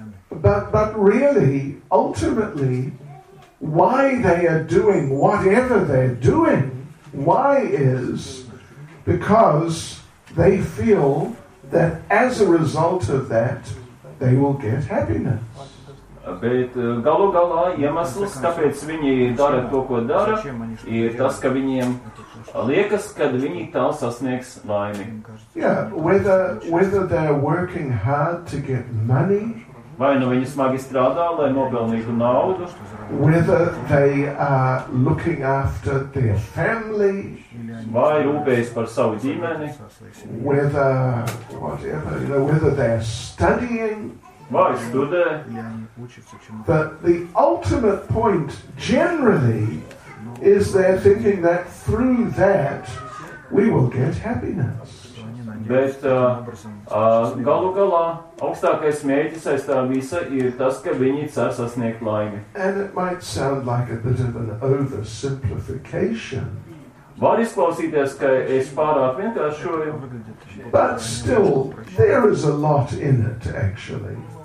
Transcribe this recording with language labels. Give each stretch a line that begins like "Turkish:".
English: But really, ultimately, why they are doing whatever they're doing, why is because they feel that as a result of that, they will get happiness.
Latvian: Bet galu galā iemesls, kāpēc viņi dara to, ko dara, ir tas, ka viņiem liekas, ka viņi tā sasniegs laimi.
English: Yeah, whether they're working hard to get money,
Latvian: vai nu viņi smagi strādā, lai nopelnītu naudu,
English: whether they are looking after their family,
Latvian: vai rūpējas par savu ģimeni,
English: whether they're studying,
Latvian: vai studē.
English: But the ultimate point generally is they're thinking that through that we will get happiness.
Latvian: Bet galu galā augstākais mērķis aiztā visa ir tas, ka viņi cer sasniegt laimi.
English: And it might sound like a bit of an oversimplification.
Latvian: Var izklausīties, ka es pārāk vienkāršoju.
English: But still, there is a lot in it, actually.